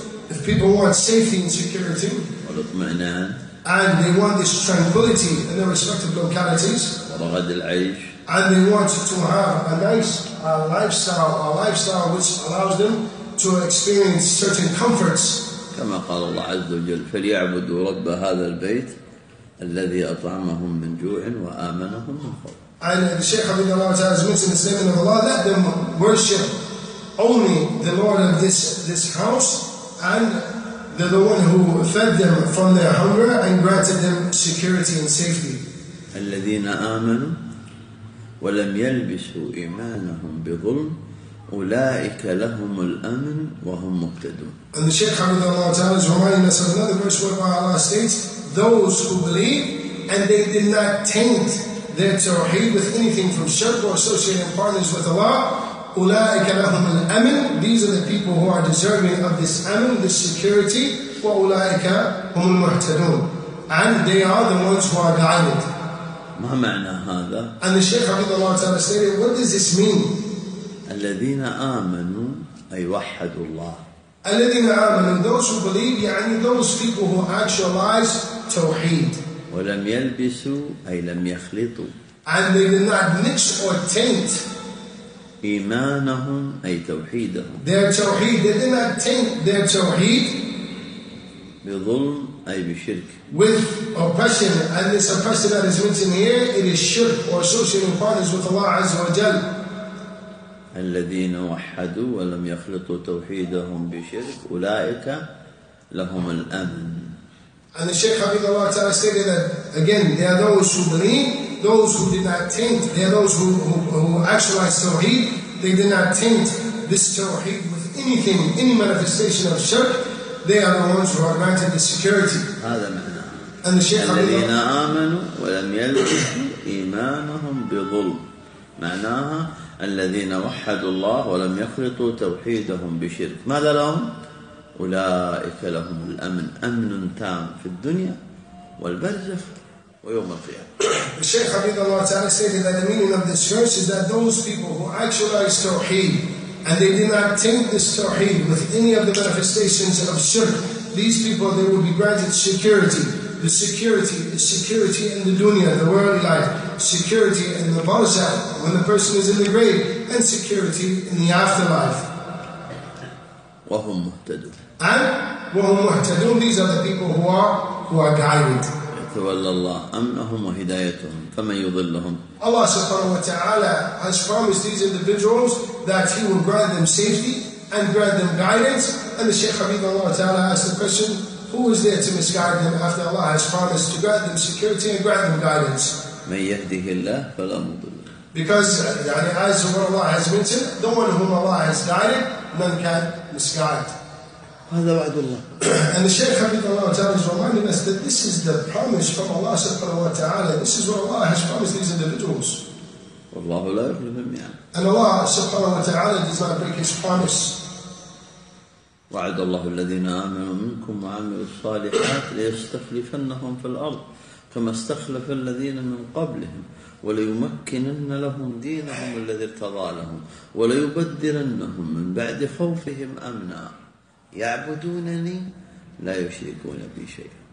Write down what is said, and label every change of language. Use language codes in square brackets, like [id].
[en] If people want safety and security, [ar] والاطمئنان. [en] And they want this tranquility in their respective localities, [ar] ورغد العيش. [en] And they want to have a nice lifestyle which allows them to experience certain comforts. [ar] كما قال الله عز وجل فليعبدوا رب هذا البيت الذي أطعمهم من جوع وآمنهم من خوف. [en] And the Shaykh Hafidhullah Ta'ala has mentioned the statement of Allah, let them worship only the Lord of this house and the one who fed them from their hunger and granted them security and safety. [ar] الذين آمنوا ولم يلبسوا إيمانهم بظلم أولئك لهم الأمن وهم مهتدون. [en] And the Shaykh Hafidhullah Ta'ala is reminding us of another verse whereby Allah states, those who believe and they did not taint their tawheed with anything from shirk or associating partners with Allah, [ar] أولئك لهم الأمن, [en] these are the people who are deserving of this أمن, this security, [ar] وأولئك هم المهتدون, [en] and they are the ones who are guided. [ar] ما معنى هذا؟ [en] And the Shaykh Hafidhullah Ta'ala stated, what does this mean? [ar] الذين آمنوا أي وحدوا الله. الذين آمنوا, [en] those who believe, يعني those people who actualize توحيد. [ar] ولم يلبسوا أي لم يخلطوا. [en] And they did not mix or taint. [ar] إيمانهم أي توحيدهم. [en] Their توحيد, they did not taint their توحيد. [ar] بظلم أي بشرك. [en] With oppression, and this oppression that is written here, it is shirk or associating partners with Allah Azza wa Jal. [ar] الذين وحدوا ولم يخلطوا توحيدهم بشرك أولئك لهم الأمن. [en] And the Shaykh Hafidhullah Ta'ala stated that again, they are those who believe, those who did not taint, they are those who actualize tawheed, they did not taint this tawheed with anything, any manifestation of shirk, they are the ones who are granted the security. [ar] هذا معناه. [en] And the Shaykh [ar] Hafidhullah الذين آمنوا ولم يلبسوا إيمانهم بظلم معناها الذين وحدوا الله ولم يخلطوا توحيدهم بشرك ماذا لهم؟ أولئك لهم الأمن أمن تام في الدنيا والبرزخ ويوم القيامة. [en] The Shaykh Hafidhullah Ta'ala stated that the meaning of this verse is that those people who actualize tawheed and they did not taint this tawheed with any of the manifestations of shirk, these people they will be granted security. The security in the dunya, the worldly life, security in the barzakh when the person is in the grave, and security in the afterlife. [ar] وهم مهتدون. [en] And [ar] وهم مهتدون, [en] these are the people who are guided. [ar] يتولى الله أمنهم وهدايتهم فمن يضلهم. [en] Allah subhanahu wa ta'ala has promised these individuals that He will grant them safety and grant them guidance. And the Shaykh Hafidhullah Ta'ala asked the question, who is there to misguide them after Allah has promised to grant them security and grant them guidance? [ar] من يهده الله فلا مضل. [en] Because as Allah has mentioned, the one whom Allah has guided, [ar] من كان مسقعد. هذا وعد الله. [en] And the Shaykh حفظه الله تعالى is reminding us that this is the promise from Allah سبحانه وتعالى. This is what Allah has promised these individuals. [ar] والله لا يخلفهم يعني. [en] And Allah سبحانه وتعالى does not break His promise. [ar] وعد الله الذين آمنوا منكم وعملوا الصالحات ليستخلفنهم في الأرض كما استخلف الذين من قبلهم وليمكنن لهم دينهم الذي ارتضى لهم وليبدلنهم من بعد خوفهم أمنا يعبدونني لا يشركون بي شيئا.